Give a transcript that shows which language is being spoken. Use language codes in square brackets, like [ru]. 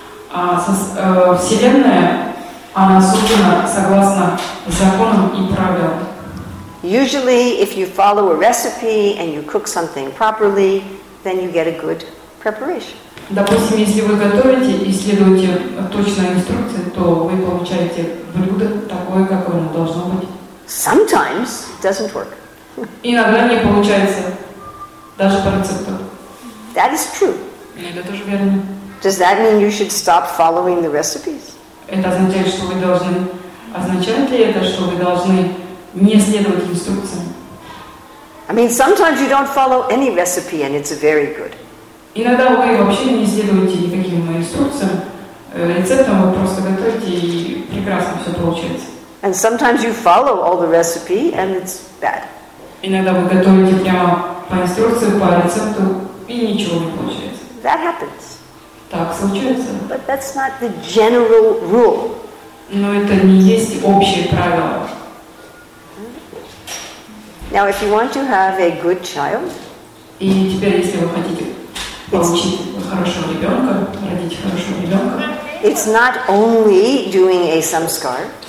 [ru] Вселенная, она создана согласно законам и правилам. [en] Usually, if you follow a recipe and you cook something properly, then you get a good preparation. [ru] Допустим, если вы готовите и следуете точной инструкции, то вы получаете блюдо такое, какое оно должно быть. [en] Sometimes it doesn't work. [ru] Иногда не получается даже по рецепту. [en] That is true. [ru] Это тоже верно. [en] Does that mean you should stop following the recipes? [ru] Это означает, что вы должны... Означает ли это, что вы должны не следовать инструкциям? [en] I mean, sometimes you don't follow any recipe and it's very good. [ru] Иногда вы вообще не следуете никаким инструкциям, рецептам, вы просто готовите и прекрасно все получается. [en] And sometimes you follow all the recipe and it's bad. [ru] Иногда вы готовите прямо по инструкциям, по рецепту и ничего не получается. [en] That happens. [ru] Так случается. [en] But that's not the general rule. [ru] Но это не есть общее правило. [en] Now, if you want to have a good child, [ru] и теперь, если вы хотите получить хорошего ребенка, родить хорошего ребенка, [en] it's not only doing a samskar.